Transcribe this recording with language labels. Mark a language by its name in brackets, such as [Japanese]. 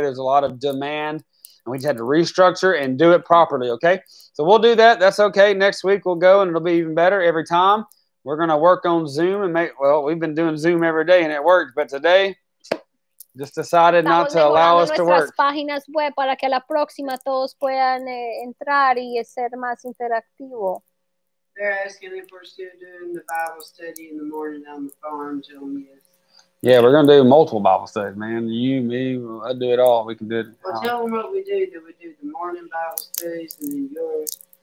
[English] There's a lot of demand, and we just had to restructure and do it properly, okay? So we'll do that. That's okay. Next week we'll go, and it'll be even better every time. We're going to work on Zoom and make – well, we've been doing Zoom every day, and it worked, but today – just decided not to allow us to work. [Spanish] Páginas web para que la próxima todos puedan entrar y ser más interactivo. [English] They're asking if we're still doing the Bible study in the morning on the farm, Jillian. Yeah, we're going to do multiple Bible studies, man. You, me, well, I do it all. We can do it. Well, tell them what we do. Do we do the morning Bible studies and then yours?